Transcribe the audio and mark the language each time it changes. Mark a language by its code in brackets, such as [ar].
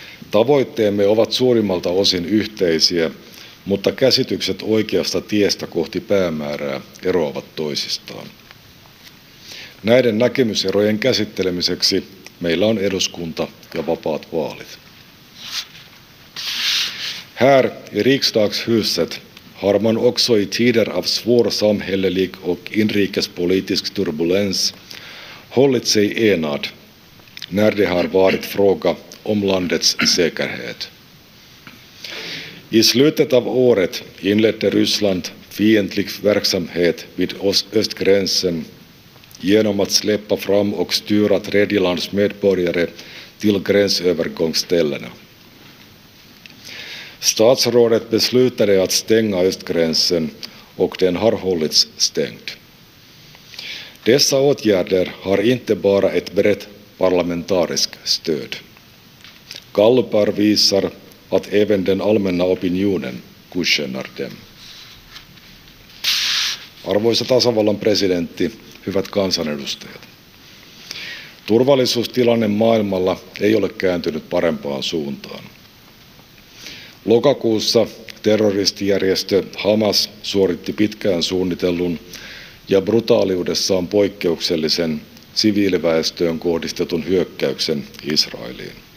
[fi] Tavoitteemme ovat suurimmalta osin yhteisiä, mutta käsitykset oikeasta tiestä kohti päämäärää eroavat toisistaan. Näiden näkemyserojen käsittelemiseksi meillä on eduskunta ja vapaat vaalit. [sv] Här i riksdagshuset har man också i tider av svår samhällelig och inrikespolitisk turbulens hållit sig enad när det har varit fråga om landets säkerhet. I slutet av året inledde Ryssland fientlig verksamhet vid östgränsen genom att släppa fram och styra tredjelandsmedborgare till gränsövergångsställena. Statsrådet beslutade att stänga östgränsen och den har hållits stängd. Dessa åtgärder har inte bara ett brett parlamentariskt stöd. Gallupar visar att även den allmänna opinionen godkänner dem. [fi] Arvoisa tasavallan presidentti, hyvät kansanedustajat. Turvallisuustilanne maailmalla ei ole kääntynyt parempaan suuntaan. Lokakuussa terroristijärjestö Hamas suoritti pitkään suunnitellun ja brutaaliudessaan poikkeuksellisen siviiliväestöön kohdistetun hyökkäyksen Israeliin.